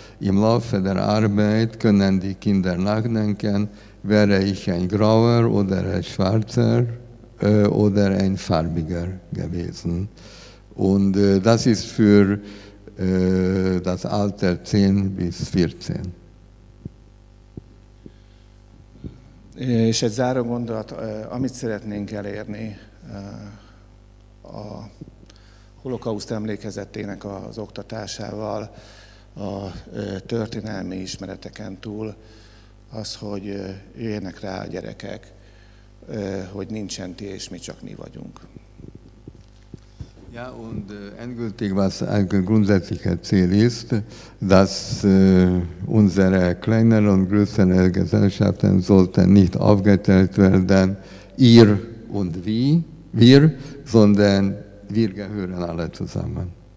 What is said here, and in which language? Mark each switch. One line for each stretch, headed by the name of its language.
German: Im Laufe der Arbeit können die Kinder nachdenken, wäre ich ein Grauer oder ein Schwarzer oder ein Farbiger gewesen. Und das ist für das Alter 10 bis 14.
Hungarian: És egy záró gondolat, amit szeretnénk elérni a holokauszt emlékezetének az oktatásával, a történelmi ismereteken túl, az, hogy jöjjenek rá a gyerekek, hogy nincsen ti és mi csak mi vagyunk.
German: Ja, und endgültig was ein grundsätzlicher Ziel ist, dass unsere kleinen und größeren Gesellschaften sollten nicht aufgeteilt werden, ihr und wir, sondern wir gehören alle zusammen.